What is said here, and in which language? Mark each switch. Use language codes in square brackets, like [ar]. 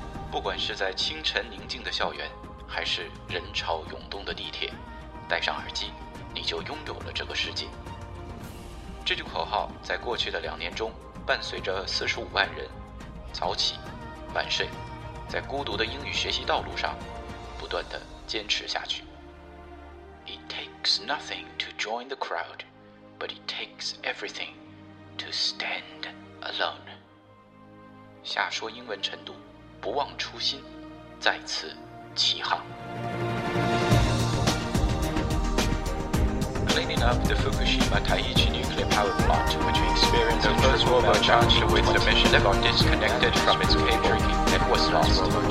[zh] 不管是在清晨宁静的校园，还是人潮涌动的地铁，戴上耳机，你就拥有了这个世界。这句口号在过去的两年中，伴随着45万人早起晚睡，在孤独的英语学习道路上不断地坚持下去。 [en] It takes nothing to join the crowd, but it takes everything to stand alone. [zh] 下说英文晨读，不忘初心，再次起航。 [en] Cleaning up the Fukushima Taiichi nuclear power plant, which experienced the first rover charged with the mission that got disconnected from its cable that was lost.